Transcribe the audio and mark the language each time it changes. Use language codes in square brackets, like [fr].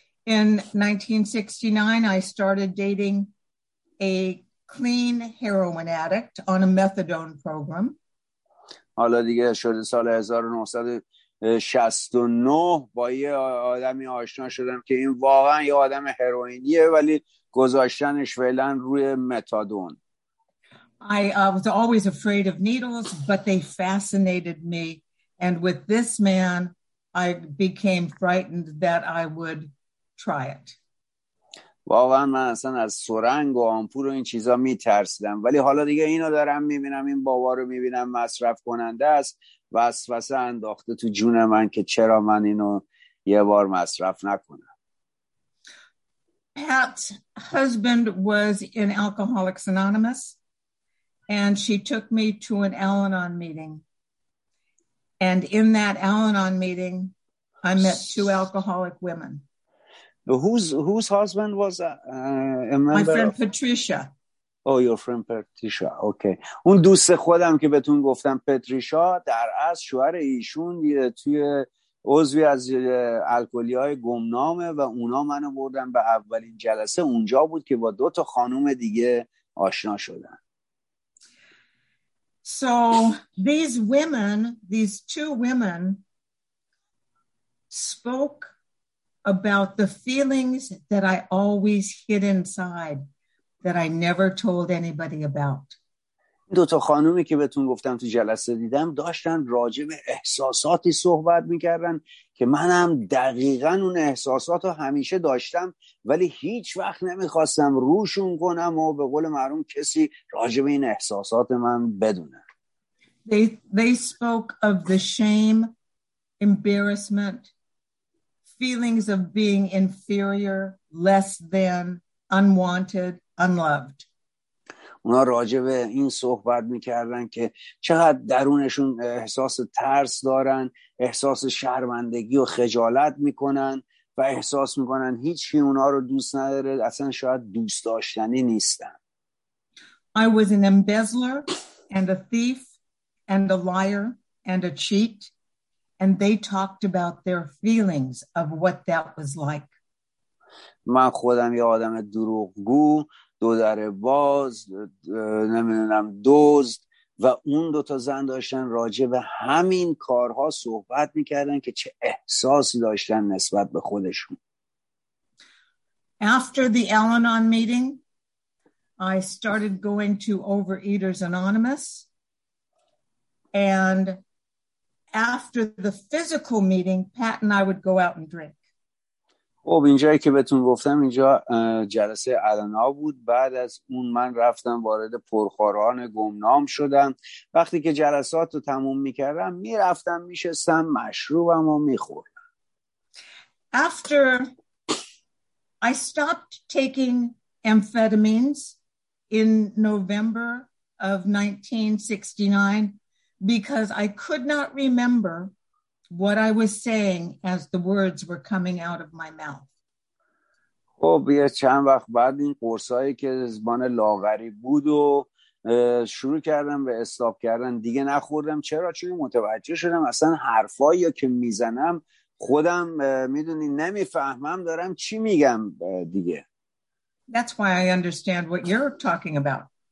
[en] In 1969 I started dating a clean heroin addict on a methadone program. [fa] حالا دیگه شده سال 1900 69 با یه آدمی آشنا شدم که این واقعا یه آدم هروئینیه ولی گذاشتنش فعلا روی متادون. [en] I was always afraid of needles, but they fascinated me. And with this man, I became frightened that I would try it. [fa] واقعا من اصلا از سرنگ و آمپول و این چیزا میترسیدم. ولی حالا دیگه اینو دارم میبینم، این بابا رو میبینم مصرف کننده است. وسوسه انداخته تو جون من که چرا من اینو یه بار مصرف نکنم. [en] Pat's husband was in Alcoholics Anonymous and she took me to an Al-Anon meeting. And in that Al-Anon meeting I met two alcoholic women. Whose husband was a member? My friend Patricia. Oh, your friend Patricia. Okay. [fa] اون دوست خودم که بهتون گفتم پتریشا در از شوهر ایشون توی عضوی از الکلی‌های گمنامه و اونا منو بردن به اولین جلسه. اونجا بود که با دو تا خانم دیگه آشنا شدن. [en] So these women, these two women spoke about the feelings that I always hid inside that I never told anybody about. [fa] دو تا خانومی که بهتون گفتم تو جلسه دیدم داشتن راجع به احساساتی صحبت میکردن که منم دقیقا اون احساسات رو همیشه داشتم ولی هیچ وقت نمیخواستم روشون کنم و به قول معروف کسی راجع به این احساسات من بدونه. [en] They spoke of the shame, embarrassment, feelings of being inferior, less than, unwanted, unloved. [fa] اونا راجع به این صحبت میکردن که چقدر درونشون احساس ترس دارن، احساس شرمندگی و خجالت میکنن و احساس میکنن هیچی اونا رو دوست نداره، اصلا شاید دوست داشتنی نیستن. [en] I was an embezzler and a thief and a liar and a cheat and they talked about their feelings of what that was like. [fa] من خودم یه آدم دروغگو، دودر باز، نمیدونم دزد و اون دوتا زن داشتن راجع به همین کارها صحبت میکردن که چه احساسی داشتن نسبت به خودشون. [en] After the Al-Anon meeting, I started going to Overeaters Anonymous. And after the physical meeting, Pat and I would go out and drink. [fa] خب اینجایی که بهتون گفتم اینجا جلسه النا بود. بعد از اون من رفتم وارد پرخوران گمنام شدم. وقتی که جلسات رو تموم میکردم میرفتم میشستم مشروبم رو میخوردم. [en] After I stopped taking amphetamines in November of 1969 because I could not remember what I was saying as the words were coming out of my mouth. [fa] خب یه چند وقت بعد این قرصایی که زبان لاغری بود و شروع کردم به استاپ کردن دیگه نخوردم. چرا؟ چون متوجه شدم اصلا حرفایی که میزنم خودم میدونی نمیفهمم دارم چی میگم دیگه. [en] That's why I understand what you're talking about.